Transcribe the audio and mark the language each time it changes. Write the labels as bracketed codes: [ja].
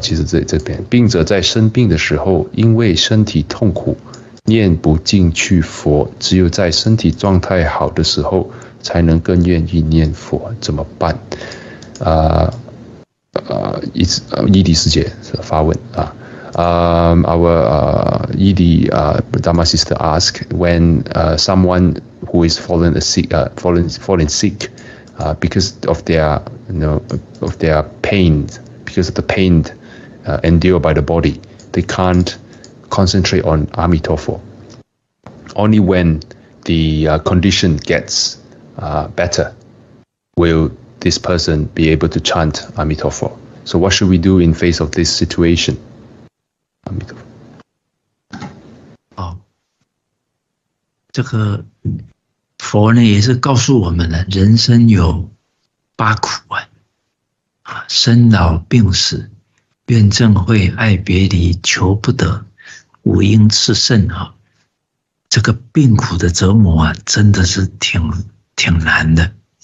[zh] 其实这边，病者在生病的时候，因为身体痛苦，念不进去佛，只有在身体状态好的时候，才能更愿意念佛，怎么办？ ED 师姐发问啊。 [en] Our ED Dharma sister asked, when someone who is fallen sick because of their, you know, of their pain, because of the pain endured by the body, they can't concentrate on Amitofo. Only when the condition gets better will this person be able to chant Amitofo. So what should we do in face of this situation? [zh] 这个佛呢也是告诉我们呢，人生有八苦啊，生老病死，怨憎会，爱别离，求不得，五阴炽盛啊，这个病苦的折磨啊，真的是挺难的。